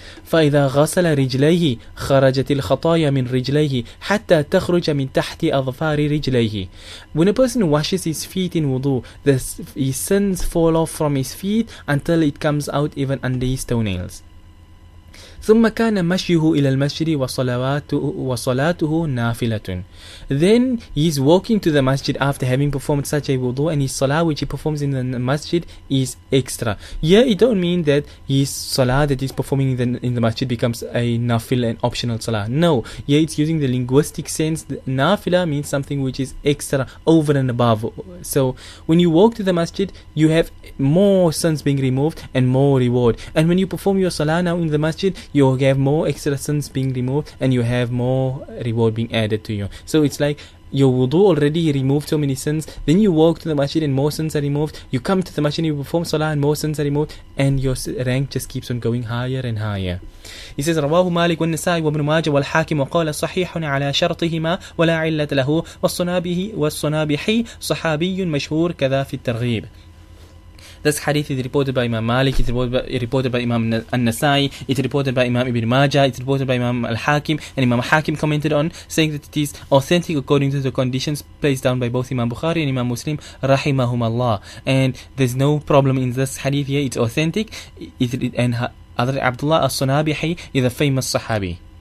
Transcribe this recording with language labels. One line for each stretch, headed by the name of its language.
Arabic: فَإِذَا غَسَلَ رِجْلَيْهِ خَرَجَتِ الْخَطَايَ مِنْ رِجْلَيْهِ حَتَّى تَخْرُجَ مِنْ تَحْتِ أَظْفَارِ رِجْلَيْهِ.
English: When a person washes his feet in wudu, his sins fall off from his feet until it comes out even under his toenails.
Arabic: ثم كان مشيه إلى المسجد وصلاته نافلة.
English: Then he's walking to the masjid after having performed such a wudu, and his salah which he performs in the masjid is extra. Here it don't mean that his salah that he's performing in the masjid becomes a nafil and optional salah. No, here it's using the linguistic sense. Nafila means something which is extra, over and above. So when you walk to the masjid, you have more sins being removed and more reward. And when you perform your salah now in the masjid, you have more extra sins being removed and you have more reward being added to you. So it's like your wudu already removed so many sins, then you walk to the masjid and more sins are removed, you come to the masjid and you perform salah and more sins are removed, and your rank just keeps on going higher and higher. He says,
Arabic: رواه مالك والنسائي وابن ماجه والحاكم وقال صحيح على شرطهما ولا علة له والصنابحي صحابي مشهور كذا في الترغيب.
English: This hadith is reported by Imam Malik, it's reported by Imam An-Nasai, it's reported by Imam Ibn Majah, it's reported by Imam Al-Hakim, and Imam Hakim commented on, saying that it is authentic according to the conditions placed down by both Imam Bukhari and Imam Muslim, Rahimahum Allah. And there's no problem in this hadith here, it's authentic, and Hadhrat Abdullah As-Sunabihi is a famous Sahabi.